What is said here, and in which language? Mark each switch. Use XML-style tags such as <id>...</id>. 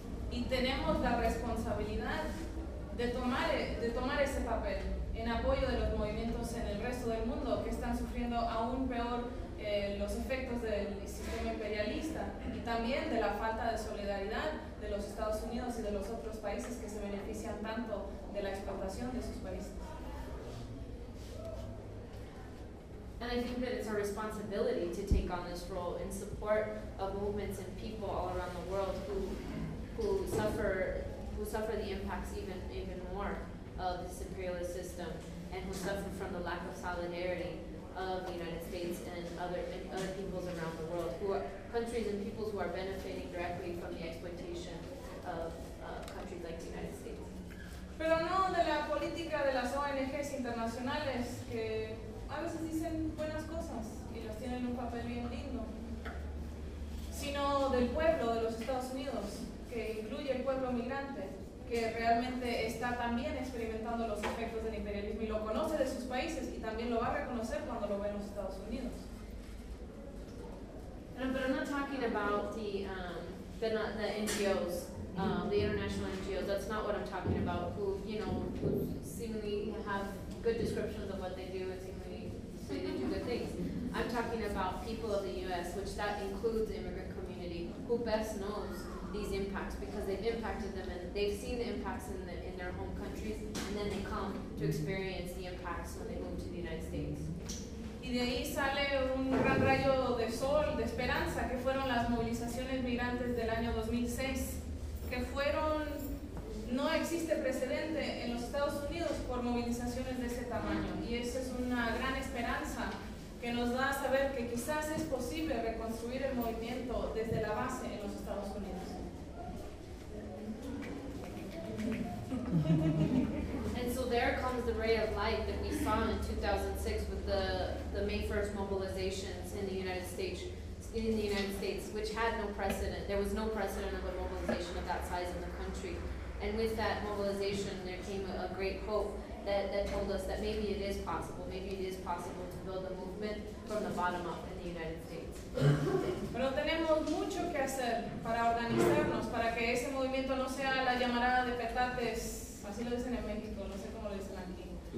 <es>Y tenemos la responsabilidad de tomar ese papel en apoyo de los movimientos en el resto del mundo que están sufriendo aún peor los efectos del sistema imperialista y también de la falta de solidaridad de los Estados Unidos y de los otros países que se benefician tanto de la explotación de sus países.</es> <en>And I think that it's our responsibility to take on this role in support of movements and people all around the world who suffer the impacts even more of this imperialist system and who suffer from the lack of solidarity of the United States and other peoples around the world, countries and peoples who are benefiting directly from the exploitation of countries like the United States.</en> <es>Pero no de la política de las ONGs internacionales que a veces dicen buenas cosas y las tienen un papel bien lindo, sino del pueblo de los Estados Unidos, que incluye el pueblo migrante, que realmente está también experimentando los efectos del imperialismo y lo conoce de sus países y también lo va a reconocer cuando lo ve en los Estados Unidos.</es> <en>But I'm not talking about the NGOs, the international NGOs. That's not what I'm talking about. Who, you know, who seemingly have good descriptions of what they do and seemingly say they do good things. I'm talking about people of the U.S., which that includes immigrant community, who best knows these impacts because they've impacted them and they've seen the impacts in their home countries and then they come to experience the impacts when they move to the United States.</en> <es>Y de ahí sale un gran rayo de sol, de esperanza, que fueron las movilizaciones migrantes del año 2006, que fueron, no existe precedente en los Estados Unidos por movilizaciones de ese tamaño, y eso es una gran esperanza que nos da a saber que quizás es posible reconstruir el movimiento desde la base en los Estados Unidos.</es> <en>And so there comes the ray of light that we saw in 2006 with the May 1st mobilizations in the United States, which had no precedent. There was no precedent of a mobilization of that size in the country. And with that mobilization, there came a great hope that told us that maybe it is possible. Maybe it is possible to build a movement from the bottom up in the United States.</en> <es>Pero tenemos mucho que hacer para organizarnos, para que ese movimiento no sea la llamarada de petates, así lo dicen en México, no sé cómo lo dicen aquí.</es>